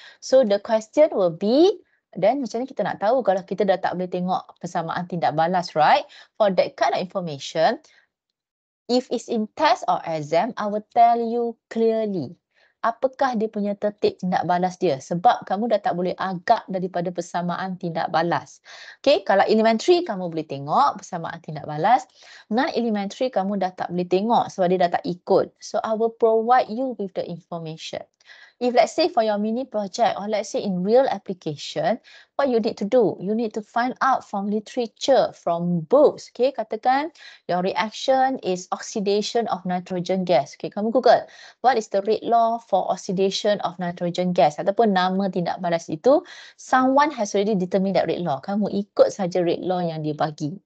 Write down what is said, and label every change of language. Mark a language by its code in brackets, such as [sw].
[en] So the question will be, then [ms] macam mana kita nak tahu kalau kita dah tak boleh tengok persamaan tindak balas, right? [en] For that kind of information, if it's in test or exam, I will tell you clearly [ms] apakah dia punya tertib tindak balas dia. Sebab kamu dah tak boleh agak daripada persamaan tindak balas. Okay, kalau elementary, kamu boleh tengok persamaan tindak balas. Non-elementary, kamu dah tak boleh tengok sebab dia dah tak ikut. [en] So, I will provide you with the information. If let's say for your mini project or let's say in real application, what you need to do? You need to find out from literature, from books. Okay, katakan your reaction is oxidation of nitrogen gas. Okay, kamu Google. What is the rate law for oxidation of nitrogen gas? [ms] Ataupun nama tindak balas itu, [en] someone has already determined that rate law. [ms] Kamu ikut saja rate law yang dia bagi.